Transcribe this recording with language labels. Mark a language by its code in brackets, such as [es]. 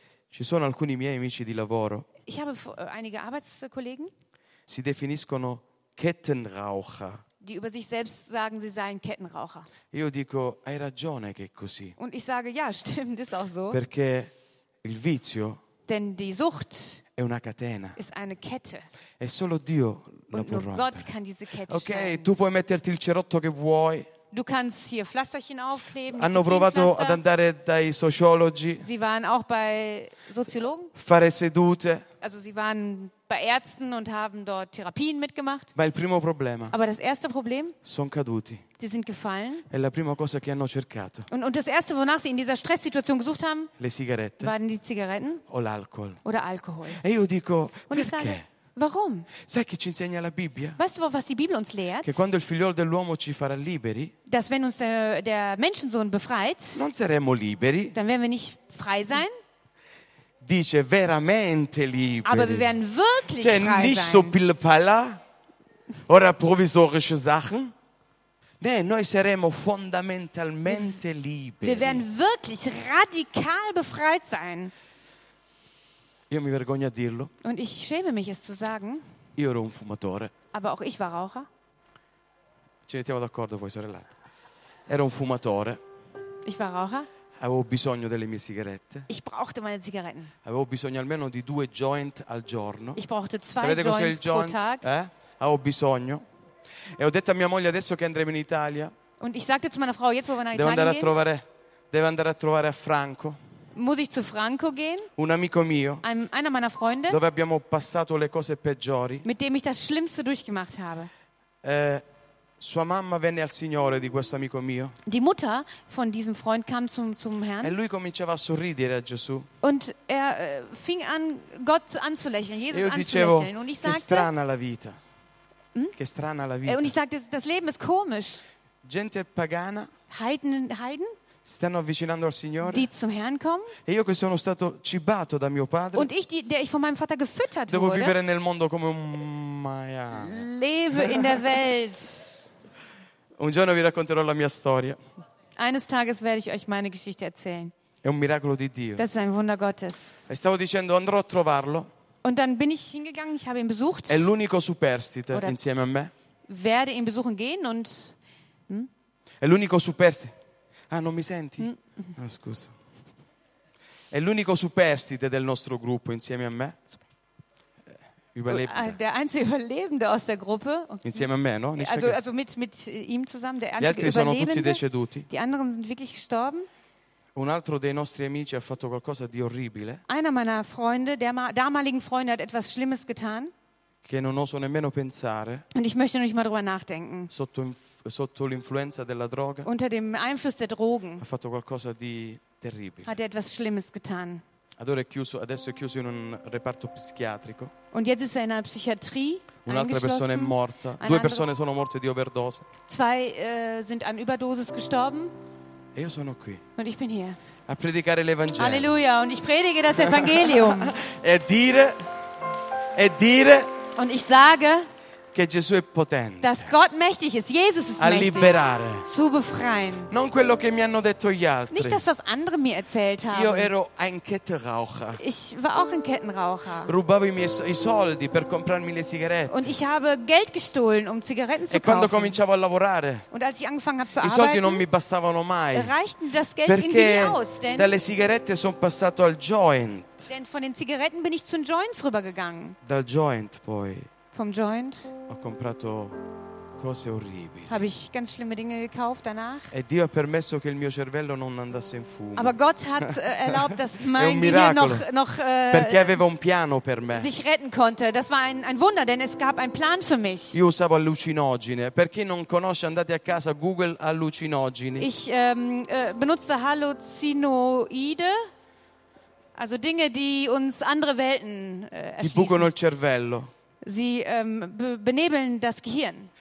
[it] Ci sono alcuni miei amici di lavoro. [de] Ich habe einige Arbeitskollegen. [it] Si definiscono Kettenraucher. [de] Die über sich selbst sagen, sie seien Kettenraucher. [it] Io dico, hai ragione che è così. [de] Und ich sage, ja, stimmt, ist auch so. [it] Perché il vizio. [de] Denn die Sucht. [it] È una catena. [de] Ist eine Kette. [it] E solo Dio la può rompere. [de] Und nur Gott kann diese Kette okay, schreien. [it] Tu puoi metterti il cerotto che vuoi. [de] Du kannst hier Pflasterchen aufkleben. [it] Hanno provato ad andare dai sociologi. [de] Sie waren auch bei Soziologen. [it] Fare sedute. [de] Also sie waren bei Ärzten und haben dort Therapien mitgemacht. [it] Ma il primo problema. [de] Aber das erste Problem. [it] Sono caduti. [de] Sie sind gefallen. [it] È la prima cosa che hanno cercato. [de] Und das erste, wonach sie in dieser Stresssituation gesucht haben. [it] Le sigarette. [de] Waren die Zigaretten. [it] O l'alcohol. [de] Oder Alkohol. [it] E io dico, [de] und Ich sage, warum? [it] Sai che ci insegna la Bibbia? [de] Weißt du, was die Bibel uns lehrt? [it] Che quando il figliolo dell'uomo ci farà liberi. [de] Dass wenn uns der Menschensohn befreit. [it] Non saremo liberi. [de] Dann werden wir nicht frei sein. [it] Dice veramente liberi. [de] Aber wir werden wirklich [it] cioè, [de] frei nicht Nicht so pilpala oder provisorische Sachen. [it] Nee, noi saremo fondamentalmente liberi. [de] Wir werden wirklich radikal befreit sein. [it] Io mi vergogno a dirlo. [de] Und ich schäme mich, es zu sagen. [it] Io ero un fumatore. [de] Aber auch ich war Raucher. [it] Ci mettiamo d'accordo poi, sorellata. Ero un fumatore. [de] Ich war Raucher. [it] Avevo bisogno delle mie sigarette. [de] Ich brauchte meine Zigaretten. [it] Avevo bisogno almeno di due joint al giorno. [de] Ich brauchte zwei [it] Sapete joints cos'è il joint? [de] Pro tag. [it] Eh? Avevo bisogno. E ho detto a mia moglie adesso che andremo in Italia. [de] Und ich sagte zu meiner Frau jetzt, wo wir nach Italien gehen. [it] Devo andare a trovare a Franco. [de] Muss ich zu Franco gehen? [it] Un amico mio. [de] Einer meiner Freunde. [it] Dove abbiamo passato le cose peggiori. [de] Mit dem ich das Schlimmste durchgemacht habe. [it] Sua mamma venne al Signore di questo amico mio. [de] Die Mutter von diesem Freund kam zum Herrn. [it] E lui cominciava a sorridere a Gesù. [de] Und er fing an Gott anzulächeln, Jesus [it] io dicevo, [de] anzulächeln. Und ich sagte, [it] che strana la vita. Hm? Che strana la vita. [de] Und ich sagte, das Leben ist komisch. [it] Gente pagana. [de] Heiden. [it] Stanno avvicinando al Signore. [de] Die zum Herrn kommen. [it] E io che sono stato cibato da mio padre. [de] Und ich, der ich von meinem Vater gefüttert [it] devo [de] wurde. [it] Devo vivere nel mondo come un maia. [de] Lebe in der Welt. [it] Un giorno vi racconterò la mia storia. [de] Eines Tages werde ich euch meine Geschichte erzählen. [it] È un miracolo di Dio. [de] Das ist ein Wunder Gottes. [it] E stavo dicendo andrò a trovarlo. [de] Und dann bin ich hingegangen, ich habe ihn besucht. [it] È l'unico superstite [de] oder [it] insieme a me. [de] Werde ihn besuchen gehen und [it] È l'unico superstite. Ah, non mi senti? Ah, scusa. È l'unico superstite del nostro gruppo insieme a me. [de] Der einzige Überlebende aus der Gruppe. [it] Insieme a me, no? [de] Also mit ihm zusammen, der einzige Überlebende. [it] Sono tutti deceduti. [de] Die anderen sind wirklich gestorben. [it] Un altro dei nostri amici ha fatto qualcosa di orribile. [de] Einer meiner Freunde, der damaligen Freunde, hat etwas Schlimmes getan. [it] Che non oso nemmeno pensare. [de] Und ich möchte noch nicht mal drüber nachdenken. [it] Sotto l'influenza della droga. [de] Unter dem Einfluss der Drogen. [it] Ha fatto qualcosa di terribile. [de] Hat er etwas Schlimmes getan. [it] Allora adesso è chiuso in un reparto psichiatrico. [de] Und jetzt ist er in einer Psychiatrie. [it] Un'altra persona è morta. Due persone sono morte di overdose. [de] Zwei sind an Überdosis gestorben. [it] E io sono qui. [de] Und ich bin hier. [it] A predicare l'Evangelo. Alleluia. [de] Und ich predige das Evangelium. [it] E dire. [de] Und ich sage. [it] Che Gesù è potente. [de] Dass Gott mächtig ist. Jesus ist mächtig. [it] A liberare. [de] Zu befreien. [it] Non quello che mi hanno detto gli altri. [de] Nicht das, was andere mir erzählt haben. [it] Io ero [de] ein Kettenraucher. Ich war auch ein Kettenraucher. [it] Rubavo i soldi per comprarmi le sigarette. [de] Und ich habe Geld gestohlen, um Zigaretten zu kaufen. [it] E quando cominciavo a lavorare. [de] Und als ich angefangen habe zu arbeiten. [it] I soldi non mi bastavano mai. [de] Reichten das Geld irgendwie aus, denn [it] dalle sigarette sono passato al joint. [de] Denn von den Zigaretten bin ich zu den Joints rübergegangen. [it] Dal joint poi. [de] Vom Joint. [it] Ho comprato cose orribili. [de] Habe ich ganz schlimme Dinge gekauft danach. [it] E Dio ha permesso che il mio cervello non andasse in fumo. [de] Aber Gott hat erlaubt, dass mein Gehirn noch [it] perché aveva un piano per me. [de] Sich retten konnte. Das war ein Wunder, denn es gab einen Plan für mich. [it] Io usavo allucinogene. Per chi non conosce, andate a casa, Google allucinogeni. [de] Ich benutzte Halluzinoide. Also Dinge, die uns andere Welten erschließen. [it] Ti bucano il cervello. [de] Sie benebeln das Gehirn.